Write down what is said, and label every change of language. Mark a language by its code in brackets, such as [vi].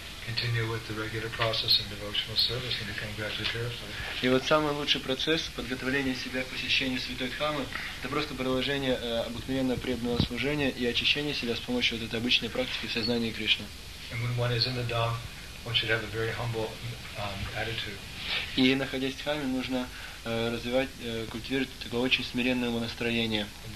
[en] Continue with the regular process and devotional service and become gradually purified. [ru] И вот самый лучший процесс подготовления себя к посещению Святой Дхаммы это просто продолжение обыкновенного преданного служения и очищение себя с помощью вот этой обычной практики сознания Кришны. [en] And when one is in the Dham, one should have a very humble attitude. [ru] И находясь в Дхамме, нужно развивать, культивировать такое очень смиренное настроение.